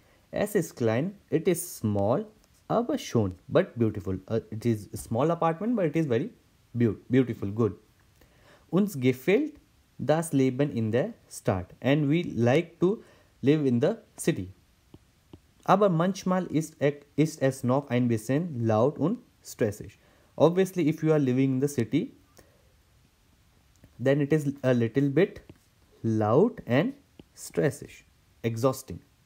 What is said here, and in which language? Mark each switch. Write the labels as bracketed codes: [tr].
[de] Es ist klein, [en] it is small, [de] aber schön, [en] but beautiful. It is a small apartment, but it is very beautiful, good. [de] Uns gefällt das Leben in der Stadt. [en] And we like to live in the city. [de] Aber manchmal ist es noch ein bisschen laut und stressig. [en] Obviously, if you are living in the city, then it is a little bit loud and stressig, exhausting.